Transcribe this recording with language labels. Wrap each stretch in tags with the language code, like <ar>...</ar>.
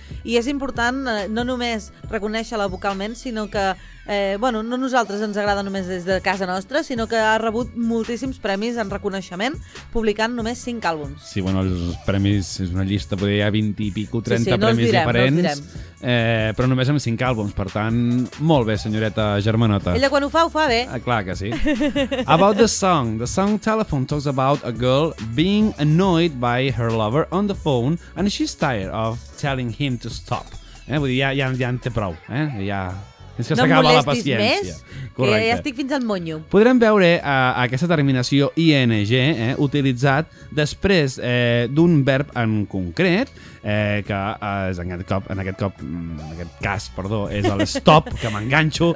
<ca>I és important no només reconèixer-la vocalment, sinó que, bueno, no a nosaltres ens agrada només des de casa nostra, sinó que ha rebut moltíssims premis en reconeixement, publicant només 5 àlbums. Sí, bueno, els premis, és una llista, potser hi ha 20 i pico, 30 premis diferents. Sí, no els direm. Però només amb 5 àlbums, per tant, molt bé, senyoreta Germanota. Ella quan ho fa bé. Clar que sí.</ca> <en>About the song Telephone talks about a girl being annoyed by her lover on the phone and she's tired of telling him to stop.</en> <ca>Vull dir, ja en té prou, ja... És que no s'acaba molestis la paciència. Més, que ja estic fins al monyo. Podrem veure aquesta terminació ING utilitzat després d'un verb en concret, que és en aquest cas, és el stop, que m'enganxo.</ca>